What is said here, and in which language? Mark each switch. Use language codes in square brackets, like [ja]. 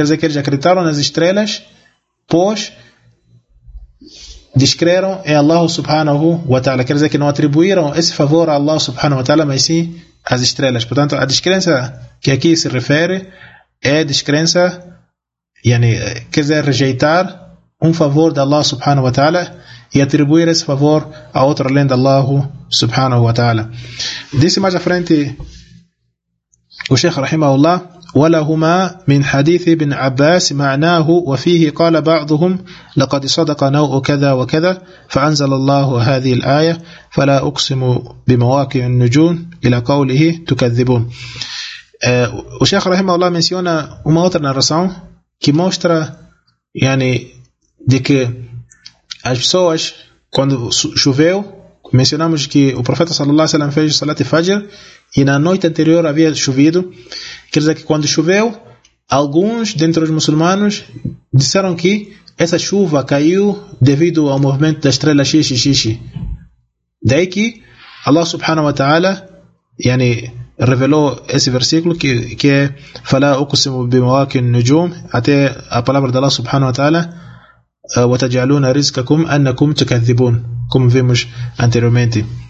[pt] Quer dizer que eles acreditaram nas estrelas, pois descreram em Allah subhanahu wa ta'ala, quer dizer que não atribuíram esse favor a Allah subhanahu wa ta'ala, mas sim as estrelas. Portanto, a descrença que aqui se refere é descrença, quer dizer, rejeitar um favor de Allah subhanahu wa ta'ala e atribuir esse favor a outro além de Allah subhanahu wa ta'ala. Disse mais à frente o Sheikh rahimahullah: [ar] ولهما من حديث ابن عباس معناه وفيه قال بعضهم لقد صدق نوء كذا وكذا فأنزل الله هذه الآية فلا أقسم بمواقع النجوم إلى قوله تكذبون. الشيخ رحمه الله [pt] menciona uma outra narração que mostra de que as pessoas quando choveu, mencionamos que o profeta sallallahu alaihi wasallam fez salat al-fajr e na noite anterior havia chovido. Quer dizer que quando choveu, alguns dentre os muçulmanos disseram que essa chuva caiu devido ao movimento da estrela XXX. Daí que Allah subhanahu wa ta'ala revelou esse versículo que é [ar] فَلَا أُقْسِمُ بِمَوَاكِ النُّجُومِ, [pt] até a palavra de Allah subhanahu wa ta'ala [ar] وَتَجْعَلُونَ رِزْكَكُمْ أَنَّكُمْ تُكَذِّبُونَ, [pt] como vimos anteriormente.